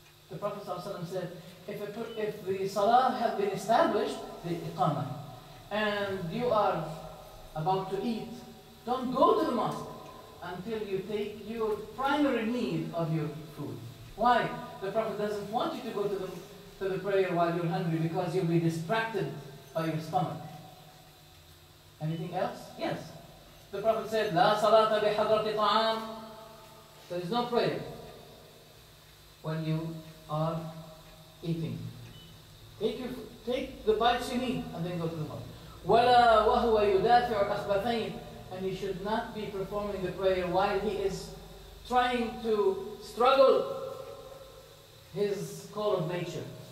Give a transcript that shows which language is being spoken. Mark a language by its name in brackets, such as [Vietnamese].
[English] The Prophet ﷺ said, if the salah had been established, the iqamah, and you are about to eat, don't go to the mosque until you take your primary need of your food. Why? The Prophet doesn't want you to go to the prayer while you're hungry, because you'll be distracted by your stomach. Anything else? Yes. The Prophet said, [Arabic] لا صلاة بحضرة طعام. [English] There is no prayer when you are eating. Take the bites you need and then go to the mosque. [Arabic] ولا وهو يدافع الأخبثين. [English] And you should not be performing the prayer while he is trying to struggle his call of nature.